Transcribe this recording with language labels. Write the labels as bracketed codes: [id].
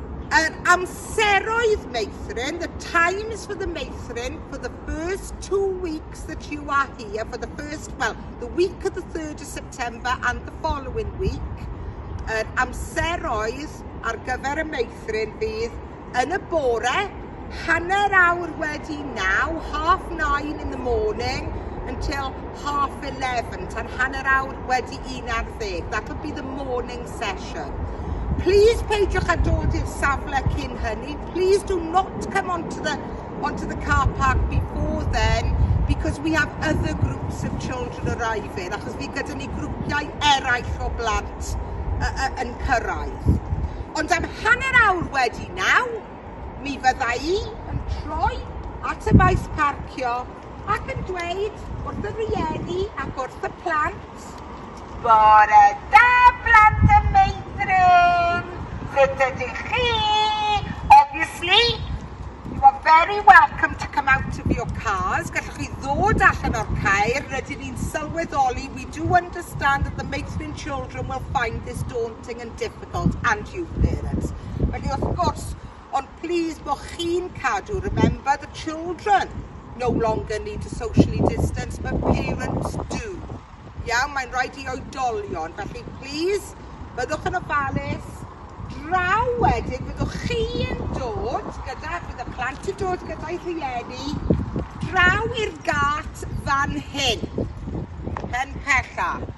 [cy] Amseroedd meithrin, [en] the times for the meithrin for the first 2 weeks that you are here, for the first, well, the week of the 3rd of September and the following week, [cy] amseroedd ar gyfer y meithrin fydd yn y bore, hanner awr wedi naw, [en] 9:30 in the morning until 11:30, [cy] tan hanner awr wedi 11:30. [en] That'll be the morning session. [cy] Please peidiwch a dod i'r safle cyn hynny. [en] Please do not come onto the car park before then, because we have other groups of children arriving, [cy] achos fi gyda ni grwpiau eraill o blant yn cyrraedd. Ond am hanner awr wedi naw, mi fydda I yn troi at y maes parcio ac yn dweud wrth y rieni ac wrth y plant, bore da blant y meithrin! Sut ydych chi? [en] Obviously, you are very welcome to come out of your cars. [cy] Gallwch chi ddod allan o'r caer. Rydyn ni'n sylweddoli. [en] We do understand that the meithrin children will find this daunting and difficult, and you parents. [cy] Felly wrth gwrs, ond please bo chi'n cadw, [en] remember, the children no longer need to socially distance, but parents do. [cy] Iawn, mae'n rhaid I oedolion, felly please, byddwch yn ofalus, draw wedyn, byddwch chi yn dod gyda, bydd y plant yn dod gyda'i rhieni, draw i'r gât fan hyn, pen pecha.